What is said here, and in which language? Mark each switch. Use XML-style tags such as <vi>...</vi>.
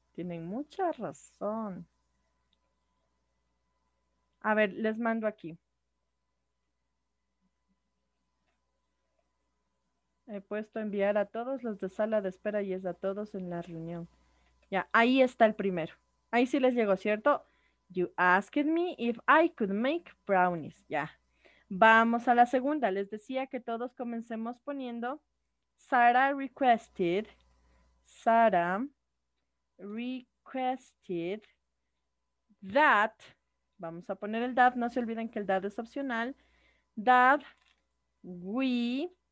<es>Tienen mucha razón. A ver, les mando aquí. He puesto enviar a todos los de sala de espera y es a todos en la reunión. Ya, ahí está el primero. Ahí sí les llegó, ¿cierto?</es> <en>You asked me if I could make brownies.</en> <es>Ya. Vamos a la segunda. Les decía que todos comencemos poniendo</es> <en>Sarah requested. Sarah requested that.</en> <es>Vamos a poner el that. No se olviden que el that es opcional.</es> <en>That we.</en>